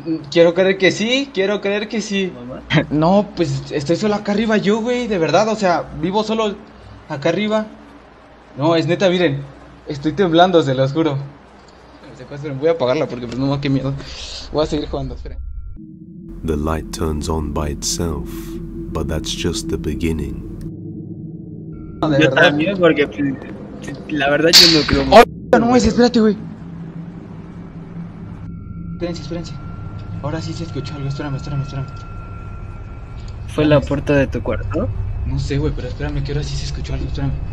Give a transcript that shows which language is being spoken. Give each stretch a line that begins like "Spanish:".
Spanish: Quiero creer que sí, quiero creer que sí. ¿Mamá? No, pues estoy solo acá arriba yo, güey, de verdad. O sea, vivo solo acá arriba. No, es neta, miren. Estoy temblando, se los juro. Voy a apagarla porque pues, no, qué miedo. Voy a seguir jugando, esperen.
English: The light turns on by itself, but that's just the beginning.
Spanish: Yo también, porque la verdad yo no creo. ¡Oh, no mames! Espérate, güey. Espérense, espérense. Ahora sí se escuchó algo. Espérame, espérame, espérame. ¿Fue la puerta de tu cuarto? No sé, güey, pero espérame, que ahora sí se escuchó algo. Espérame.